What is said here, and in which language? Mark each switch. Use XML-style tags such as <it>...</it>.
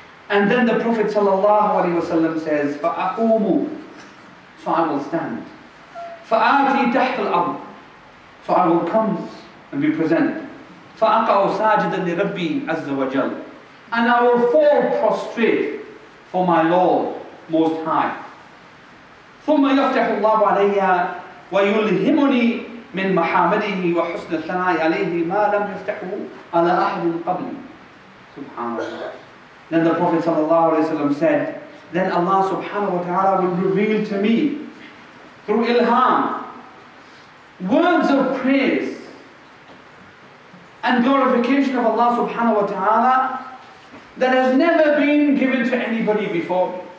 <en>And then the Prophet sallallahu alaihi wasallam says,</en> <ar>فَأَقُومُ.</ar> <en>So I will stand.</en> <ar>فَآتِي تَحْتَ الْأَرْضِ.</ar> <en>So I will come and be present.</en> <ar>فَأَقَعُ سَاجِدًا لِرَبِّي عَزَّ وَجَلَّ.</ar> <en>And I will fall prostrate for my Lord Most High.</en> <ar>ثم يفتح الله علي ويلهمني من محامده وحسن الثناء عليه ما لم يفتحه على أحد قبلي. سبحان الله.</ar> <en>Then the Prophet صلى الله عليه وسلم said, then Allah subhanahu wa ta'ala will reveal to me through ilham words of praise and glorification of Allah subhanahu wa ta'ala that has never been given to anybody before me.</en>